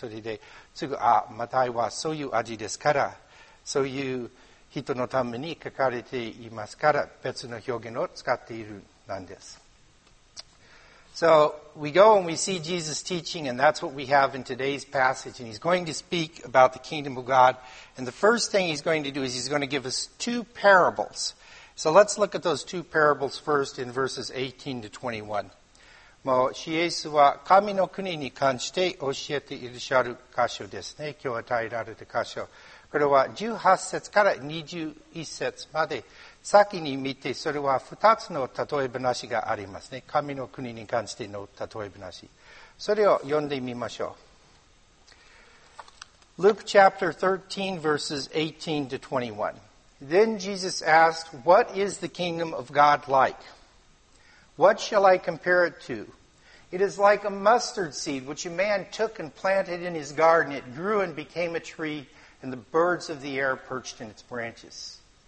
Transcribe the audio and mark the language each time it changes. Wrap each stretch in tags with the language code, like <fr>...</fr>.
<ja>それで、すぐ、あ、マタイはそういう味ですから、そういう人のために書かれていますから、別の表現を使っているなんです。</ja> <en>So we go and we see Jesus teaching, and that's what we have in today's passage. And he's going to speak about the kingdom of God. And the first thing he's going to do is he's going to give us two parables. So let's look at those two parables first in verses 18 to 21.</en> <ja>もう、イエスは神の国に関して教えていらっしゃる箇所ですね。今日与えられた箇所。これは18節から21節まで。先に見て、それは二つの例え話がありますね。神の国に関しての例え話。それを読んでみましょう。</ja> <en>Luke chapter 13 verses 18 to 21. Then Jesus asked, What is the kingdom of God like? What shall I compare it to? It is like a mustard seed, which a man took and planted in his garden. It grew and became a tree, and the birds of the air perched in its branches.</en>